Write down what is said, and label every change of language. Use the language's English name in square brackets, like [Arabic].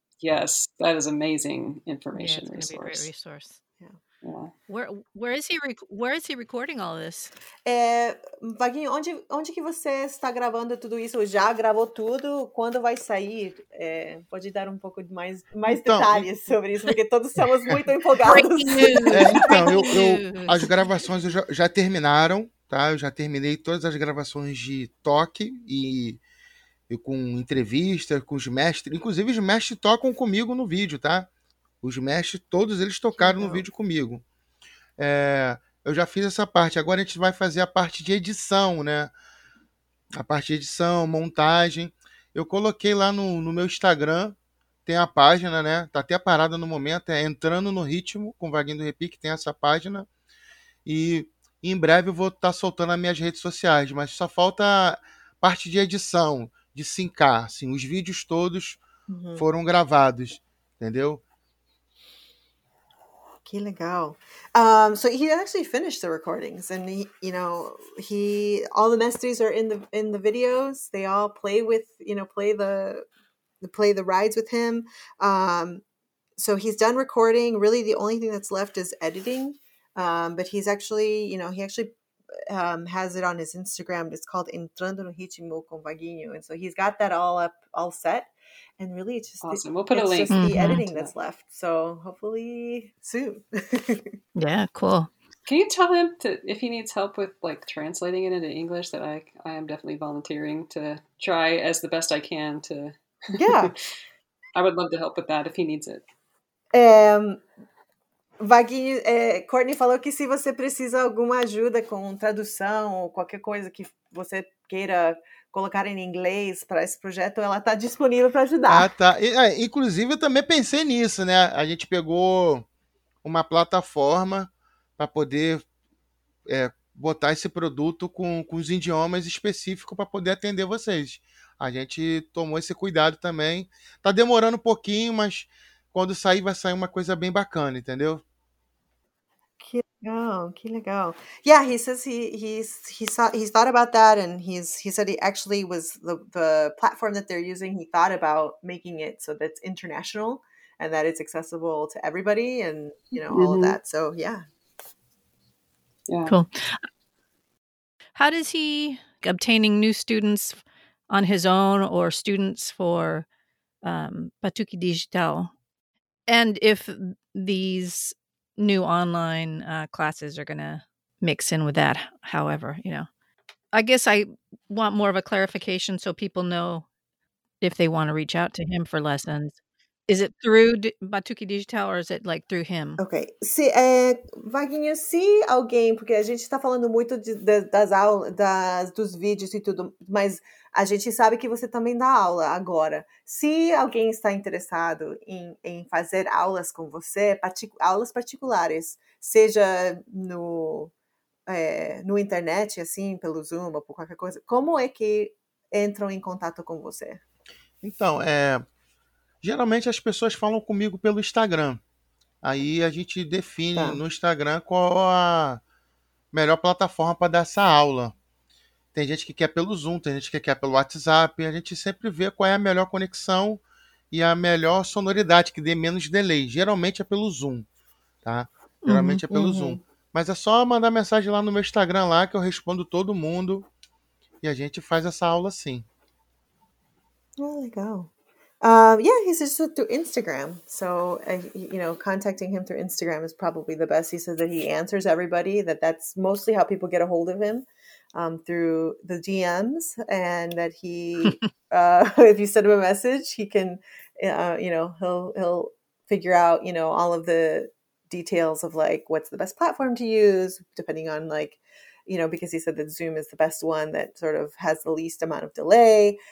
[English] Yes, that is amazing information. Yeah, it's resource. Going to be a great resource. Yeah. Where is he recording all this? [Portuguese] Waguinho, onde que você está gravando tudo isso? Já gravou tudo? Quando vai sair? Pode dar um pouco mais então, detalhes sobre isso, porque todos estamos muito empolgados. Então, as gravações já terminaram. Eu já terminei todas as gravações de toque e com entrevistas com os mestres. Inclusive, os mestres tocam comigo no vídeo, tá? Os mestres, todos eles tocaram no vídeo comigo. Eu já fiz essa parte. Agora a gente vai fazer a parte de edição, né? A parte de edição, montagem. Eu coloquei lá no meu Instagram, tem a página, né? Tá até parada no momento, é Entrando no Ritmo, com o Waguinho do Repique, tem essa página. E em breve eu vou estar soltando as minhas redes sociais, mas só falta parte de edição, de syncar. Assim, os vídeos todos foram gravados, entendeu? Que legal. [English] So he actually finished the recordings, and he, you know, he all the mestres are in the videos. They all play with, you know, play the rides with him. So he's done recording. Really, the only thing that's left is editing. But he's actually, you know, he actually has it on his Instagram. It's called Entrando no Ritmo com Waguinho. And so he's got that all up, all set. And really, it's just awesome. We'll put a link. It's just the editing that's left. So hopefully soon. Yeah, cool. Can you tell him if he needs help with like translating it into English, that I am definitely volunteering to try as the best I can to. Yeah. I would love to help with that if he needs it. [Portuguese] Waguinho, Courtney falou que se você precisa alguma ajuda com tradução ou qualquer coisa que você queira colocar em inglês para esse projeto, ela está disponível para ajudar. Ah, tá. Inclusive, eu também pensei nisso, né? A gente pegou uma plataforma para poder botar esse produto com os idiomas específicos para poder atender vocês. A gente tomou esse cuidado também. Está demorando um pouquinho, mas quando sair, vai sair uma coisa bem bacana, entendeu? Que legal. [English] Yeah, he says he thought about that, and he said he actually was the platform that they're using. He thought about making it so that it's international and that it's accessible to everybody, and you know, all of that. So yeah. Cool. How does he obtaining new students on his own or students for Batuque Digital? And if these new online classes are going to mix in with that, however, you know. I guess I want more of a clarification so people know if they want to reach out to him for lessons. Is it through Batuque Digital or is it like through him? Okay. [Portuguese] Se, Waguinho, se alguém, porque a gente está falando muito das aulas, dos vídeos e tudo, mas a gente sabe que você também dá aula agora. Se alguém está interessado em fazer aulas com você, aulas particulares, seja no internet, assim, pelo Zoom ou por qualquer coisa, como é que entram em contato com você? Então, geralmente as pessoas falam comigo pelo Instagram. Aí a gente define no Instagram qual a melhor plataforma para dar essa aula. Tem gente que quer pelo Zoom, tem gente que quer pelo WhatsApp. A gente sempre vê qual é a melhor conexão e a melhor sonoridade, que dê menos delay. Geralmente é pelo Zoom, tá? Geralmente é pelo Zoom. Mas é só mandar mensagem lá no meu Instagram, lá que eu respondo todo mundo. E a gente faz essa aula sim. Oh, legal. [English] Yeah, he says through Instagram. So, you know, contacting him through Instagram is probably the best. He says that he answers everybody, that's mostly how people get a hold of him. Through the DMs, and that he, if you send him a message, he can, you know, he'll figure out, you know, all of the details of like what's the best platform to use, depending on like, you know, because he said that Zoom is the best one that sort of has the least amount of delay.